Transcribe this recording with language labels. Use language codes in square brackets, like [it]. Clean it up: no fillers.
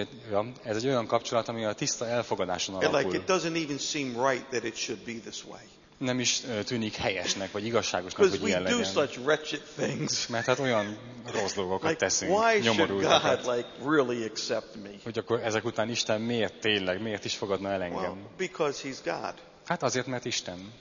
[hu] Ja, ez egy olyan kapcsolat, ami a tiszta elfogadáson alapul. [en] It doesn't even seem right that it should be this way. [hu] Nem is tűnik helyesnek, vagy igazságosnak, hogy ilyen legyen. [en] Do such wretched things. [hu] Mert hát olyan rossz dolgokat teszünk, nyomorultakat. [en] God, really accept me? [hu] Hogy akkor ezek után Isten miért tényleg, miért is fogadna el engem? [en] Well, because he's God. [hu] Hát azért, mert Isten.